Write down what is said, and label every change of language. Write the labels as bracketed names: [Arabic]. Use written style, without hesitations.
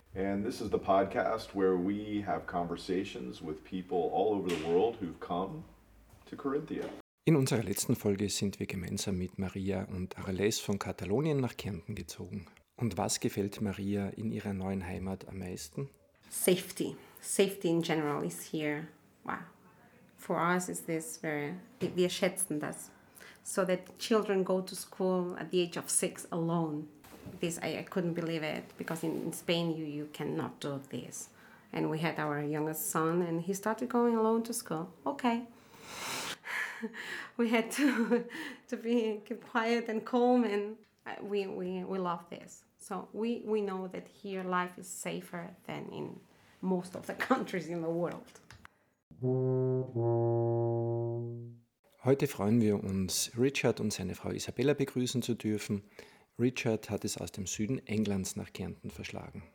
[English] And this is the podcast where we have conversations with people all over the world who've come to Corinthia. [German] In unserer letzten Folge sind wir gemeinsam mit Maria und Arles von Katalonien nach Kärnten gezogen. Und was gefällt Maria in ihrer neuen Heimat am meisten? [English] Safety. Safety in general is here. Wow. For us is this very... [German] Wir schätzen das. [English] So that children go to school at the age of 6 alone. This, I couldn't believe it, because in Spain you cannot do this. And we had our youngest son and he started going alone to school. Okay. We had to be keep quiet and calm, and we love this. So we know that here life is safer than in most of the countries in the world. [German] Heute freuen wir uns, Richard und seine Frau Isabella begrüßen zu dürfen. Richard hat es aus dem Süden Englands nach Kärnten verschlagen.